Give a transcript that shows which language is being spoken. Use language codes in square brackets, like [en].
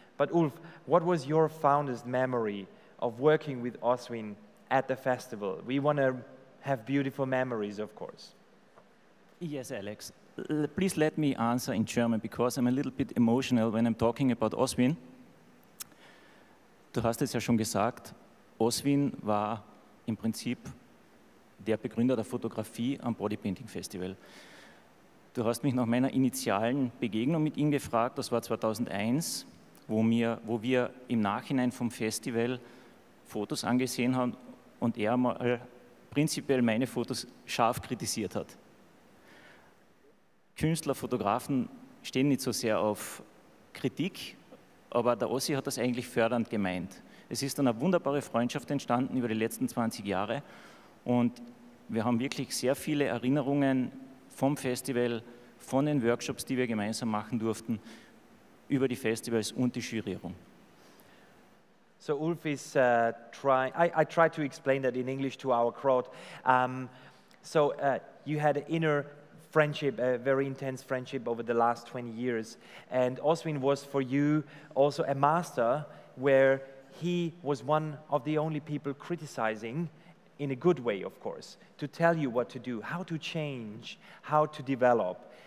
[en] But Ulf, what was your fondest memory of working with Oswin at the festival? We want to have beautiful memories, of course. Yes, Alex. Please let me answer in German, because I'm a little bit emotional when I'm talking about Oswin. [de] Du hast es ja schon gesagt, Oswin war im Prinzip der Begründer der Fotografie am Bodypainting Festival. Du hast mich nach meiner initialen Begegnung mit ihm gefragt, das war 2001, wo wir im Nachhinein vom Festival Fotos angesehen haben und er mal prinzipiell meine Fotos scharf kritisiert hat. Künstler, Fotografen stehen nicht so sehr auf Kritik, aber der Ossi hat das eigentlich fördernd gemeint. Es ist eine wunderbare Freundschaft entstanden über die letzten 20 Jahre und wir haben wirklich sehr viele Erinnerungen vom Festival, von den Workshops, die wir gemeinsam machen durften, über die Festivals und die Jurierung. [en] So Ulf is I try to explain that in English to our crowd. You had an inner friendship, a very intense friendship over the last 20 years. And Oswin was for you also a master, where he was one of the only people criticizing, in a good way, of course, to tell you what to do, how to change, how to develop.